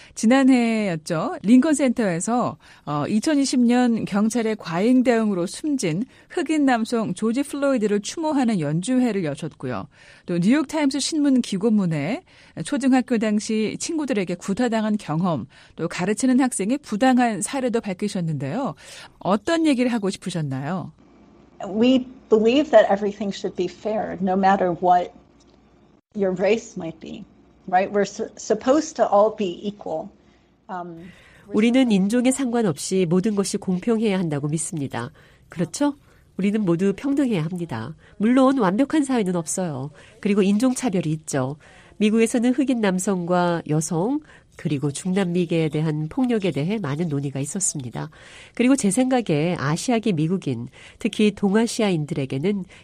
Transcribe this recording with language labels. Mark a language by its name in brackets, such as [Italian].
[Korean] 지난해였죠. 링컨센터에서 2020년 경찰의 과잉 대응으로 숨진 흑인 남성 조지 플로이드를 추모하는 연주회를 여셨고요. 또 뉴욕타임스 신문 기고문에 초등학교 당시 친구들에게 구타당한 경험, 또 가르치는 학생의 부당한 사례도 밝히셨는데요. 어떤 얘기를 하고 싶으셨나요? [English] We believe that everything should be fair, no matter what your race might be, right? We're supposed to all be equal. [Korean] 우리는 인종에 상관없이 모든 것이 공평해야 한다고 믿습니다. 그렇죠? 우리는 모두 평등해야 합니다. 물론 완벽한 사회는 없어요. 그리고 인종차별이 있죠. 미국에서는 흑인 남성과 여성, 그리고 중남미계에 대한 폭력에 대해 많은 논의가 있었습니다. 그리고 제 생각에 아시아계 미국인, 특히 동아시아인들에게는